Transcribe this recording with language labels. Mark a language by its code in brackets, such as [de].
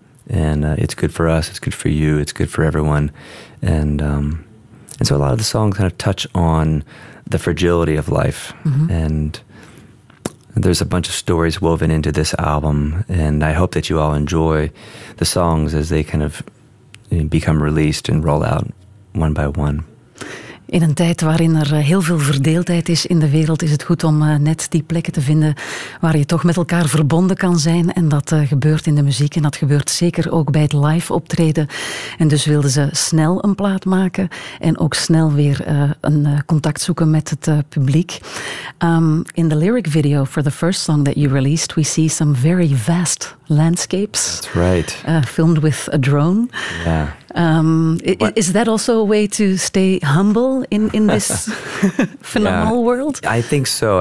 [en] And it's good for us, it's good for you, it's good for everyone. And so a lot of the songs kind of touch on the fragility of life. Mm-hmm. And there's a bunch of stories woven into this album, and I hope that you all enjoy the songs as they kind of become released and roll out one by one. [nl] In een tijd waarin er heel veel verdeeldheid is in de wereld, is het goed om net die plekken te vinden waar je toch met elkaar verbonden kan zijn. En dat gebeurt in de muziek en dat gebeurt zeker ook bij het live optreden. En dus wilden ze snel een plaat maken en ook snel weer een contact zoeken met het publiek. [en] In the lyric video for the first song that you released, we see some very vast landscapes. That's right. Filmed with a drone. Yeah. Is that also a way to stay humble in this phenomenal world? I think so.